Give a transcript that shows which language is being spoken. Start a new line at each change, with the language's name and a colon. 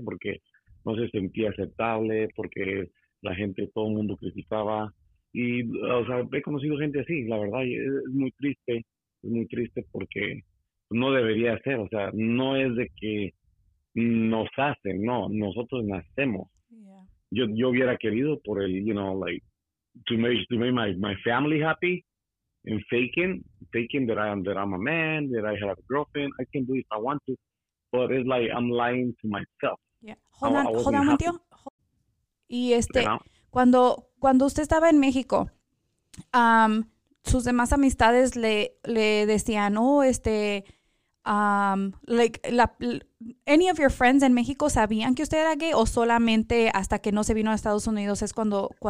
Spanish: Porque no se sentía aceptable, porque la gente, todo el mundo criticaba. Y, o sea, he conocido gente así, la verdad. Es muy triste. Es muy triste porque no debería ser. O sea, no es de que nos hacen, no. Nosotros nacemos.
English: Yeah.
Spanish: Yo hubiera querido por el,
English: you know, like, to make my family happy. And faking that I'm a man, that I have a girlfriend, I can do it if I want to, but it's like I'm lying to myself. Yeah. Hold on,
Spanish: mentió. Y cuando usted estaba en México, sus demás amistades le decían,
English: any of your friends in Mexico
Spanish: sabían que usted era gay o solamente hasta que no se vino a Estados Unidos es cuando.